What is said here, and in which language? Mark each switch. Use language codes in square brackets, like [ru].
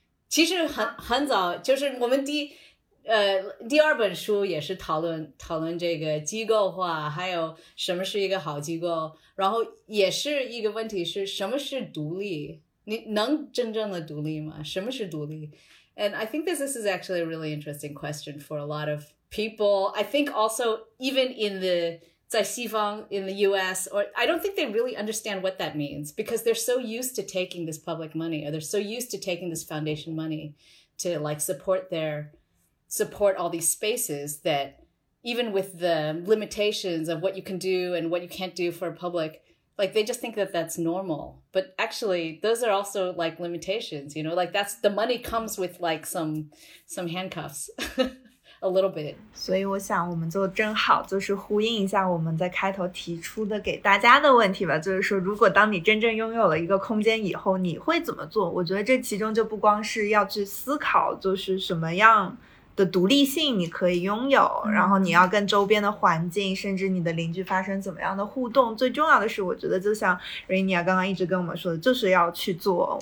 [zh] 其实很早，就是我们第二本书也是讨论这个机构化，还有什么是一个好机构，然后也是一个问题是什么是独立，你能真正的独立吗？什么是独立？ [en] And I think this is actually a really interesting question for a lot of people. I think also even in the [zh] 在西方 [en] in the US, or I don't think they really understand what that means because they're so used to taking this public money, or they're so used to taking this foundation money to like support all these spaces that even with the limitations of what you can do and what you can't do for a public, like they just think that that's normal. But actually, those are also like limitations, you know, like that's the money comes with like some handcuffs a little bit. [zh] 所以我想我们做得真好，就是呼应一下我们在开头提出的给大家的问题吧，就是说如果当你真正拥有了一个空间以后，你会怎么做？我觉得这其中就不光是要去思考就是什么样的独立性你可以拥有，然后你要跟周边的环境甚至你的邻居发生怎么样的互动，最重要的是我觉得就像 Rania 刚刚一直跟我们说的，就是要去做。